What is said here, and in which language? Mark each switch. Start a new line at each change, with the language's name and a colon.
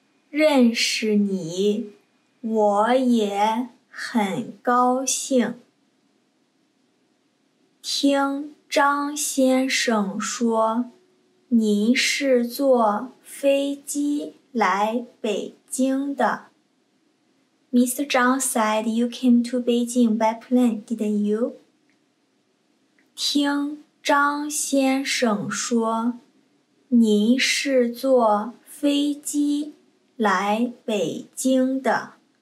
Chinese: 认识你，我也很高兴。听张先生说您是坐飞机来北京的。
English: Mr. Zhang said you came to Beijing by plane, didn't you?
Chinese: 听张先生说您是坐飞机来北京的。